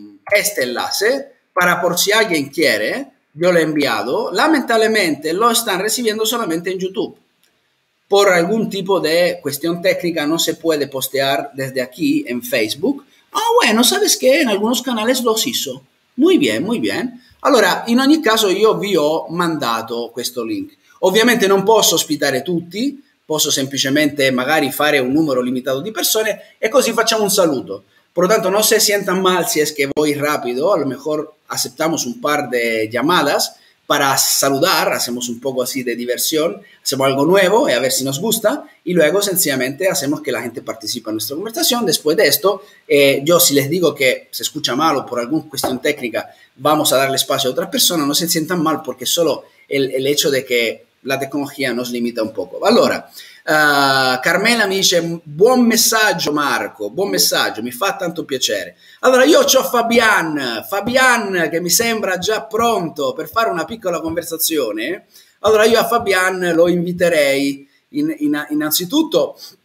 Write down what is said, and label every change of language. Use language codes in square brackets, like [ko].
[es] Este enlace para por si alguien quiere. Yo lo he enviado. Lamentablemente, lo están recibiendo solamente en YouTube. Por algún tipo de cuestión técnica, no se puede postear desde aquí en Facebook. Ah, bueno, ¿sabes qué? En algunos canales los hizo. Muy bien, muy bien. [it] Allora, in ogni caso io vi ho mandato questo link. Ovviamente non posso ospitare tutti, posso semplicemente magari fare un numero limitato di persone e così facciamo un saluto. [es] Por lo tanto, no se sientan mal si es que voy rápido, a lo mejor aceptamos un par de llamadas para saludar, hacemos un poco así de diversión, hacemos algo nuevo y a ver si nos gusta y luego sencillamente hacemos que la gente participe en nuestra conversación. Después de esto, yo si les digo que se escucha mal o por alguna cuestión técnica vamos a darle espacio a otras personas, no se sientan mal porque solo el hecho de que la tecnología nos limita un poco. [it] Allora, Carmela mi dice: buon messaggio Marco, buon messaggio, mi fa tanto piacere. Allora io ho Fabian che mi sembra già pronto per fare una piccola conversazione. Allora io a Fabian lo inviterei innanzitutto.